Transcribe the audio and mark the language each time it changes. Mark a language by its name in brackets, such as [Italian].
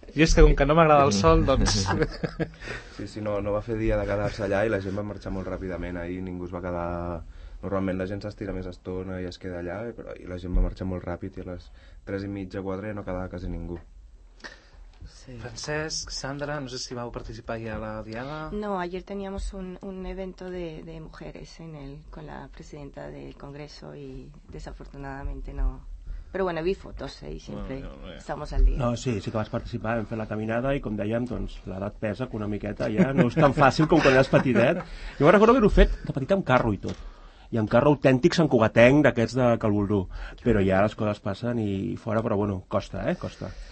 [Catalan] I és que com que no m'agrada el sol, doncs... Sí, no va fer dia de quedar-se allà i la gent va marxar molt ràpidament ahir, ningú es va quedar... Normalment la gent s'estira més estona i es queda allà, però ahir la gent va marxar molt ràpid i a les 3 i mitja, 4 ja no quedava quasi ningú. Sí. Francesc, Sandra, no sé si vau participar ahir a la diada... [Spanish] No, ayer teníamos un evento de mujeres en el, con la presidenta del Congreso y desafortunadamente no... Però bueno, vi fotos, [Catalan] i sempre [Spanish] estamos al dia. [Catalan] No, sí que vas participar, vam fer la caminada i com dèiem, doncs, l'edat pesa que una miqueta ja no és tan fàcil com quan eres petitet. Jo recordo haver-ho fet de petit amb carro i tot, i amb carro autèntic santcugatenc d'aquests de Cal Boldú. Però ja les coses passen i fora, però bueno, costa, costa.